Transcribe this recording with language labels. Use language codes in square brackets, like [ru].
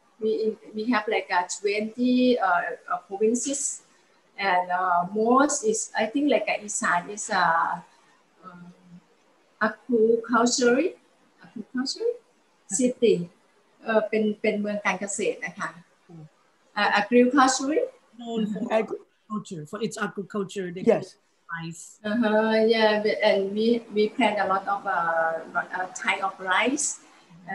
[en] We have like a 20 provinces, and most is, I think like a Isan is a cool culture city. [th] เป็นเมืองการเกษตรนะคะ agriculture [en] known for agriculture for its agriculture they yes rice yeah and we plant a lot of type of rice mm-hmm.